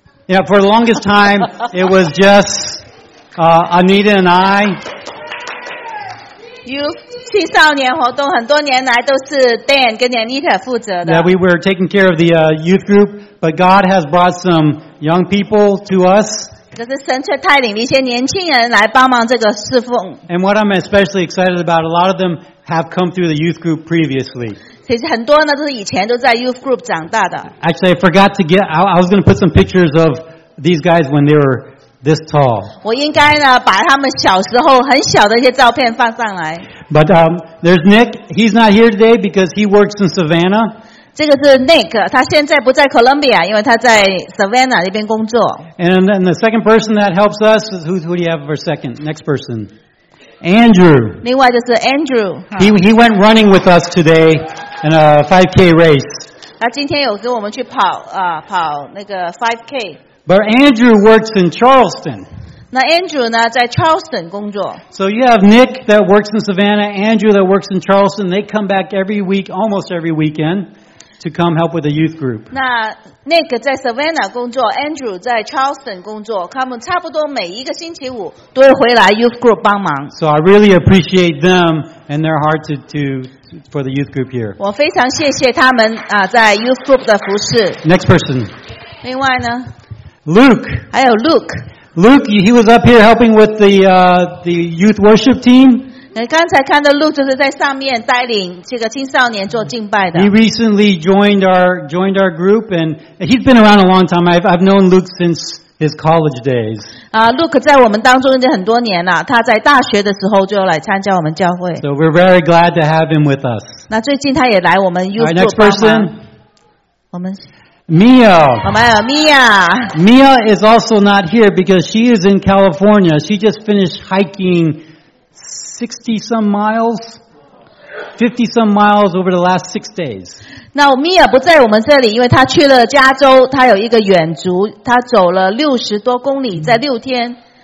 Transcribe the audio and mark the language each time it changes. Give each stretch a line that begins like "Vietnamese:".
English: Yeah, for the longest time, it was just Anita and I.
Chinese: Youth 青少年活动很多年来都是 Dan 跟 Anita 负责的。
English: Yeah, we were taking care of the youth group, but God has brought some young people to us.
Chinese: 这是神却带领一些年轻人来帮忙这个侍奉。
English: And what I'm especially excited about, a lot of them have come through the youth group previously.
Chinese: 其实很多呢都是以前都在 youth group 长大的。
English: Actually, I forgot to get. I was going to put some pictures of these guys when they were this tall.
Chinese: 我应该呢把他们小时候很小的一些照片放上来。
English: But there's Nick. He's not here today because he works in Savannah.
Chinese: 这个是 Nick. 他现在不在 Columbia, 因为他在 Savannah 那边工作。
English: And then the second person that helps us is who do you have for second? Next person. Andrew.
Chinese: 另外就是 Andrew.
English: He went running with us today in a 5K race.
Chinese: 他今天有跟我们去跑啊跑那个 5K.
English: But Andrew works in Charleston.
Chinese: 那 Andrew 呢在 Charleston 工作。
English: So you have Nick that works in Savannah, Andrew that works in Charleston. They come back every week, almost every weekend, to come help with the youth group.
Chinese: 那 Nick 在 Savannah 工作 ，Andrew 在 Charleston 工作，他们差不多每一个星期五都会回来 youth group 帮忙。
English: So I really appreciate them and their heart to for the youth group here.
Chinese: 我非常谢谢他们啊，在 youth group 的服侍。
English: Next person.
Chinese: 另外呢，Luke. 还有 Luke.
English: Luke, he was up here helping with the youth worship team.
Chinese: 刚才看到 Luke 就是在上面带领这个青少年做敬拜的。
English: He recently joined our group, and he's been around a long time. I've known Luke since his college days.
Chinese: Luke 在我们当中已经很多年了，他在大学的时候就来参加我们教会。
English: So we're very glad to have him with us.
Chinese: 那最近他也来我们 youth 做帮忙。
English: Next person.
Chinese: 我们。 Mia. 我们有 Mia.
English: Mia is also not here because she is in California. She just finished hiking 50 some miles over the last 6 days.
Chinese: 那 Mia 不在我们这里，因为她去了加州，她有一个远足，她走了60多公里，在六天。